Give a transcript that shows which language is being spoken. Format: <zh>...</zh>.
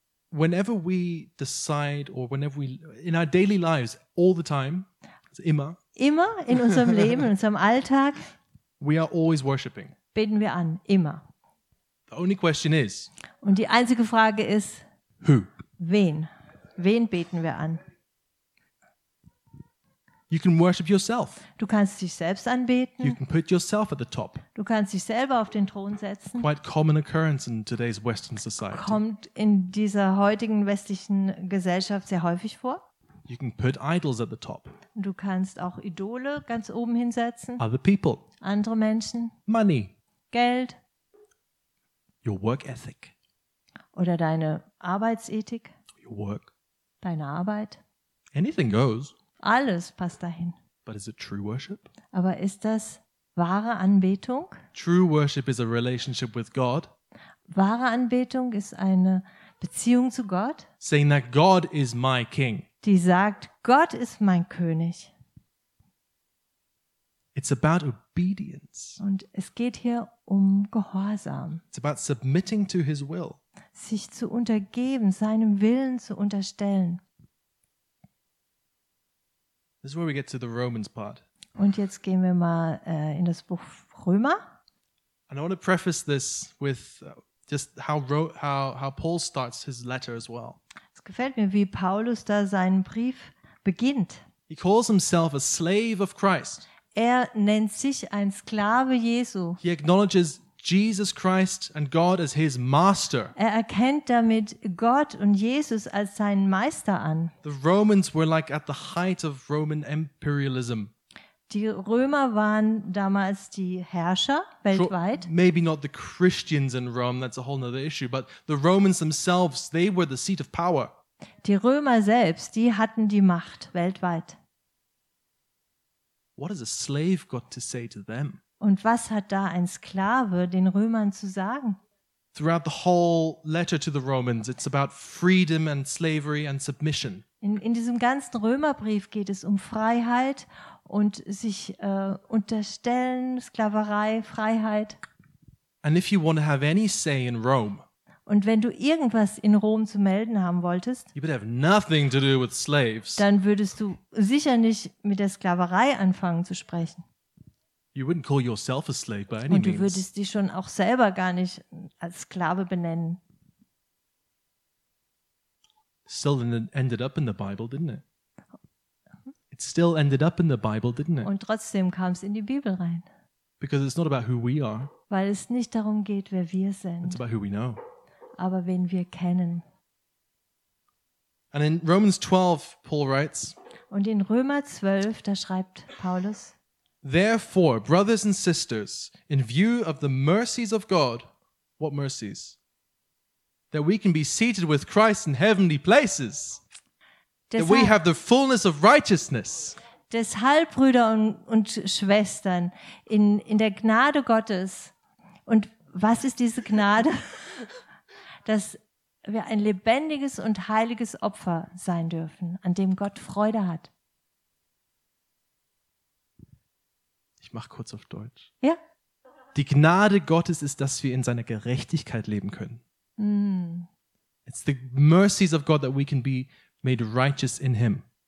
<en>Whenever we decide or whenever we in our daily lives all the time, it's</en> <de>immer. Immer in unserem Leben, in unserem Alltag</de> <en>we are always worshiping.</en> <de>Beten wir an, immer.</de> <en>The only question is,</en> <de>und die einzige Frage ist,</de> <en>who?</en> <de>Wen? Wen beten wir an?</de> <en>You can worship yourself.</en> <de>Du kannst dich selbst anbeten.</de> <en>You can put yourself at the top.</en> <de>Du kannst dich selber auf den Thron setzen.</de> <en>Quite common occurrence in today's Western society.</en> <de>Kommt in dieser heutigen westlichen Gesellschaft sehr häufig vor.</de> <en>You can put idols at the top.</en> <de>Du kannst auch Idole ganz oben hinsetzen.</de> <en>Other people.</en> <de>Andere Menschen.</de> <en>Money.</en> <de>Geld.</de> <en>Your work ethic.</en> <de>Oder deine Arbeitsethik.</de> <en>Your work.</en> <de>Deine Arbeit.</de> <en>Anything goes.</en> <de>Alles passt dahin.</de> <en>But is it true worship?</en> <de>Aber ist das wahre Anbetung?</de> <en>True worship is a relationship with God.</en> <de>Wahre Anbetung ist eine Beziehung zu Gott.</de> <en>Saying that God is my king.</en> <de>Die sagt, Gott ist mein König.</de> <en>It's about obedience.</en> <de>Und es geht hier um Gehorsam.</de> <en>It's about submitting to his will.</en> <de>Sich zu untergeben, seinem Willen zu unterstellen.</de> <en>This is where we get to the Romans part.</en> <de>Und jetzt gehen wir mal in das Buch Römer.</de> <en>And I want to preface this with just how Paul starts his letter as well.</en> <de>Es gefällt mir, wie Paulus da seinen Brief beginnt.</de> <en>He calls himself a slave of Christ.</en> <de>Er nennt sich ein Sklave Jesu.</de> <en>He acknowledges Jesus Christ and God as his master.</en> <de>Er erkennt damit Gott und Jesus als seinen Meister an.</de> <en>The Romans were like at the height of Roman imperialism.</en> <de>Die Römer waren damals die Herrscher weltweit.</de> <en>Sure, maybe not the Christians in Rome, that's a whole other issue, but the Romans themselves, they were the seat of power.</en> <de>Die Römer selbst, die hatten die Macht weltweit.</de> <en>What has a slave got to say to them?</en> <de>Und was hat da ein Sklave den Römern zu sagen?</de> <en>Throughout the whole letter to the Romans, it's about freedom and slavery and submission.</en> <de>In diesem ganzen Römerbrief geht es um Freiheit und sich unterstellen, Sklaverei, Freiheit.</de> <en>And if you want to have any say in Rome,</en> <de>und wenn du irgendwas in Rom zu melden haben wolltest,</de> <en>you better have nothing to do with slaves.</en> <de>Dann würdest du sicher nicht mit der Sklaverei anfangen zu sprechen.</de> <en>You wouldn't call yourself a slave by any means.</en> <de>Und du würdest dich schon auch selber gar nicht als Sklave benennen.</de> <en>Still ended up in the Bible, didn't it? It still ended up in the Bible, didn't it?</en> <de>Und trotzdem kam es in die Bibel rein.</de> <en>Because it's not about who we are.</en> <de>Weil es nicht darum geht, wer wir sind.</de> <en>It's about who we know.</en> <de>Aber wen wir kennen.</de> <en>And in Romans 12, Paul writes.</en> <de>Und in Römer 12, da schreibt Paulus.</de> <en>Therefore, brothers and sisters, in view of the mercies of God, what mercies? That we can be seated with Christ in heavenly places. That we have the fullness of righteousness.</en> <de>Deshalb, Brüder und Schwestern, in der Gnade Gottes. Und was ist diese Gnade? Dass wir ein lebendiges und heiliges Opfer sein dürfen, an dem Gott Freude hat. Mach kurz auf Deutsch. Ja. Die Gnade Gottes ist, dass wir in seiner Gerechtigkeit leben können. Mm.</de> <en>It's the mercies of God that we can be made righteous in him.</en>